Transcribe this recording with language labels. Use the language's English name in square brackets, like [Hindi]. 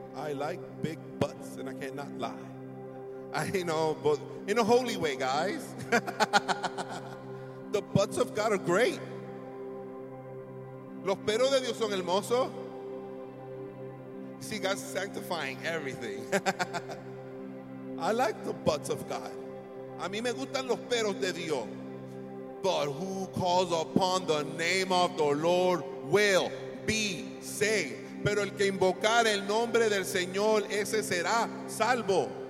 [English] I like big butts and I cannot lie. I know, but in a holy way, guys. The butts of God are great. [Spanish] Los peros de Dios son hermosos. [English] See, God's sanctifying everything. I like the butts of God. [Spanish] A mí me gustan los peros de Dios. [English] But who calls upon the name of the Lord will be saved. [Spanish] Pero el que invocar el nombre del Señor, ese será salvo.